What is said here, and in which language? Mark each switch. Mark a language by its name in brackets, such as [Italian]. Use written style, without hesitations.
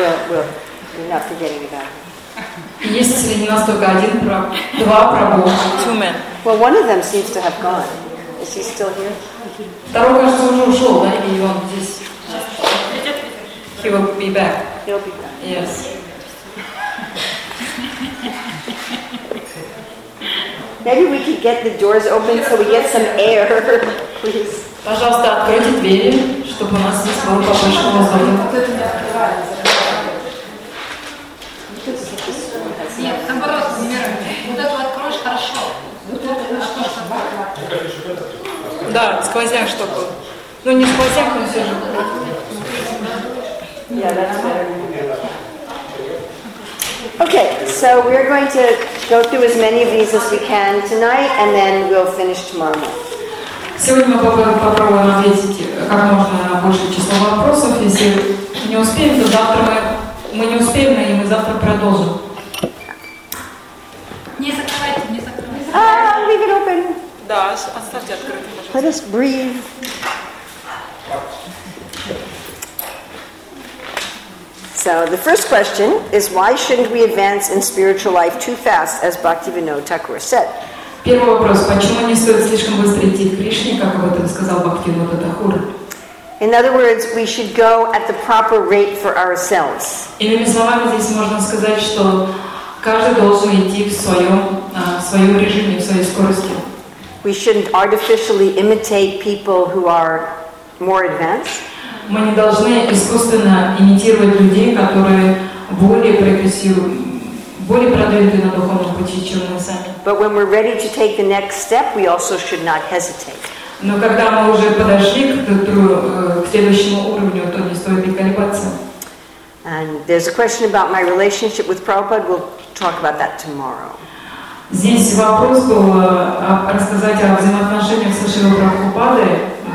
[English] We're not forgetting about you. [Russian] Есть среди нас только один два пробога. [English] Two men. Well, one of them seems to have gone. Is he still here? [Russian] Второй, кажется, уже ушел, да, и он здесь. [English] He will be back. He'll be back. Yes. Maybe we could get the doors open so we get some air, please. [Russian] Пожалуйста, откройте двери, чтобы у нас здесь было побольше воздуха. Да, сквозняк, чтобы. Ну не сквозняк, но все же. [English] Okay, so we're going to go through as many of these as we can tonight, and then we'll finish tomorrow night. [Russian] Сегодня мы попробуем ответить как можно больше число вопросов. Если не успеем, то завтра мы не успеем, и мы завтра продолжим. Не закрывайте. [English] Leave it open. [Russian] Да, оставьте открытым. [English] Let us breathe. So the first question is, why shouldn't we advance in spiritual life too fast, as Bhaktivinoda Thakur said? [Russian] Первый вопрос. Почему не стоит слишком быстро идти к Кришне, как об этом сказал Бхактивинода Такур? [English] In other words, we should go at the proper rate for ourselves. [Russian] Иными словами, здесь можно сказать, что каждый должен идти в своем режиме, в своей скорости. [English] We shouldn't artificially imitate people who are more advanced. [Russian] Мы не должны искусственно имитировать людей, которые более прогрессируют, более продвинуты на духовном пути, чем мы сами. [English] But when we're ready to take the next step, we also should not hesitate. [Russian] Но когда мы уже подошли к следующему уровню, то не стоит колебаться. [English] And there's a question about my relationship with Prabhupada. We'll talk about that tomorrow. [Russian] Здесь вопрос был рассказать о взаимоотношениях со Шрилой Прабхупадой.